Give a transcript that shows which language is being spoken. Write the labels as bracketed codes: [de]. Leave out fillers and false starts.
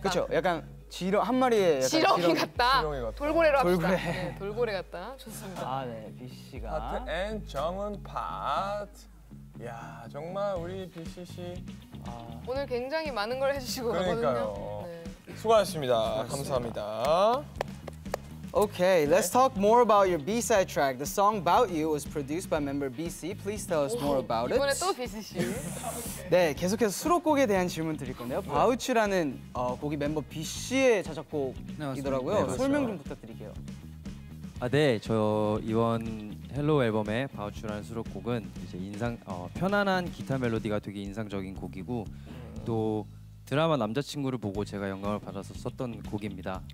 [ko] 그렇죠, 약간 지렁 한 마리의 약간 지렁이 지렁, 같다. 지렁이 같다. 돌고래로 합시다. 돌고래. 네, 돌고래 같다. 좋습니다. 아, 네, BC가. 파트 앤 정훈 파트. 야 정말 우리 BC씨 아... 오늘 굉장히 많은 걸 해주시고 그러니까요. 가거든요. 네. 수고하셨습니다. 감사합니다. [en] Okay, let's talk more about your B-side track. The song About You was produced by member BC. Please tell us more about it. [ko] 이번에 또 BC씨. 네, 계속해서 수록곡에 대한 질문 드릴 건데요. About라는 곡이 멤버 BC의 자작곡이더라고요. 네, 설명 좀 부탁드릴게요. 아, 네, 저 이번 헬로 앨범의 바우추라는 수록곡은 이제 편안한 기타 멜로디가 되게 인상적인 곡이고 또 드라마 남자친구를 보고 제가 영감을 받아서 썼던 곡입니다.